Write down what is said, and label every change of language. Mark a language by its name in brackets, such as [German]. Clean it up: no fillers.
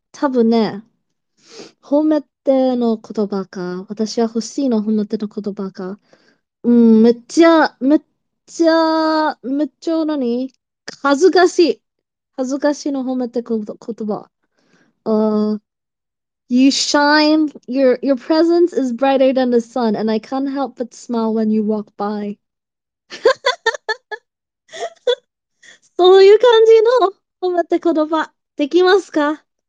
[Japanese] 多分ね、褒めての言葉か、私は欲しいの褒めての言葉か。めっちゃ何?恥ずかしい。恥ずかしいの褒めてこと言葉。 [English] You shine, your presence is brighter than the sun, and I can't help but smile when you walk by. [Japanese] そういう感じの褒めて言葉、できますか?